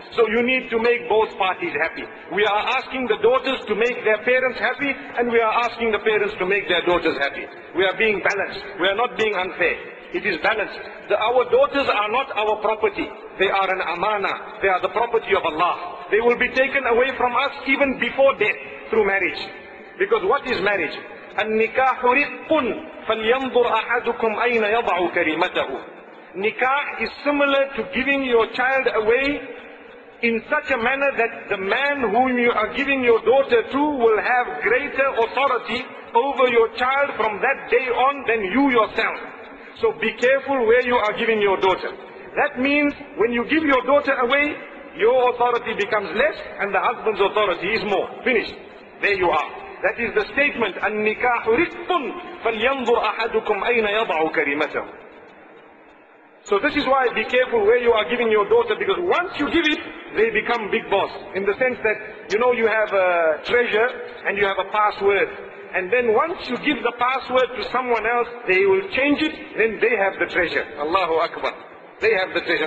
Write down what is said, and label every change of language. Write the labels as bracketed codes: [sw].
[en] So you need to make both parties happy. We are asking the daughters to make their parents happy, and we are asking the parents to make their daughters happy. We are being balanced. We are not being unfair. It is balanced. Our daughters are not our property. They are an amana. They are the property of Allah. They will be taken away from us even before death through marriage. Because what is marriage? [ar] النكاح رق فلينظر أحدكم أين يضع كريمته. [en] Nikah is similar to giving your child away in such a manner that the man whom you are giving your daughter to will have greater authority over your child from that day on than you yourself. So be careful where you are giving your daughter. That means when you give your daughter away, your authority becomes less and the husband's authority is more. Finished. There you are. That is the statement, [ar] النكاح رق فلينظر أحدكم أين يضع كريمته. [en] So this is why be careful where you are giving your daughter, because once you give it, they become big boss. In the sense that, you know, you have a treasure and you have a password. And then once you give the password to someone else, they will change it, then they have the treasure. Allahu Akbar. They have the treasure.